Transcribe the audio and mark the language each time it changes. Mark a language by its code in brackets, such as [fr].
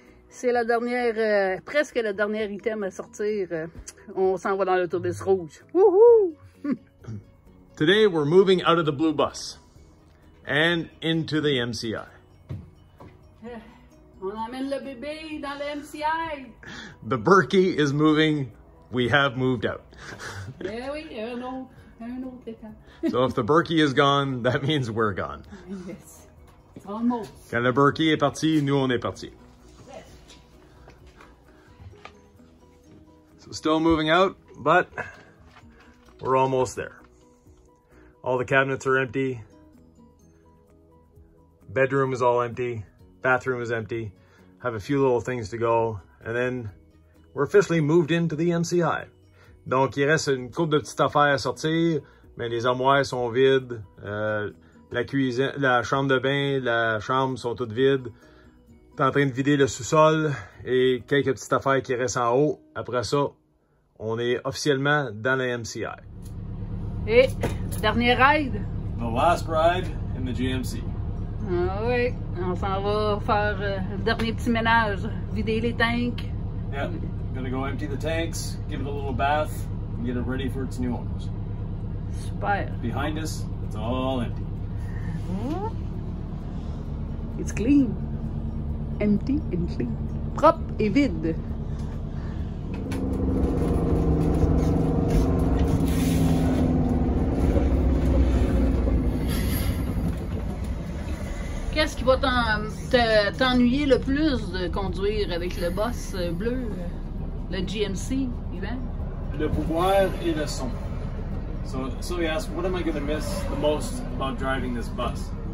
[fr] C'est la dernière, presque la dernière item à sortir. On s'en va dans l'autobus rouge. Woohoo! [en] Today we're moving out of the blue bus and into the MCI. [fr] On amène le bébé dans le MCI. [en] The Berkey is moving. We have moved out. Yeah, we know. So if the Berkey is gone, that means we're gone. Yes. It's almost. [fr] Quand le Berkey est parti, nous on est parti. [en] Yes. So still moving out, but we're almost there. All the cabinets are empty. Bedroom is all empty. Bathroom is empty. Have a few little things to go, and then we're officially moved into the MCI. [fr] Donc, il reste une couple de petites affaires à sortir, mais les armoires sont vides. La cuisine, la chambre de bain, la chambre sont toutes vides. T'es en train de vider le sous-sol et quelques petites affaires qui restent en haut. Après ça, on est officiellement dans la MCI. Et, dernier ride. [en] The last ride in the GMC. [fr] Ah oui, on s'en va faire le dernier petit ménage. Vider les tanks. [en] Yep. Gonna go empty the tanks, give it a little bath, and get it ready for its new owners. Super. Behind us, it's all empty. It's clean. Empty and clean. [fr] Propre et vide. Qu'est-ce qui va t'ennuyer le plus de conduire avec le boss bleu? Le GMC, Yvan? Le pouvoir et le son. [en] So he asked, what am I going to miss the most about driving this bus?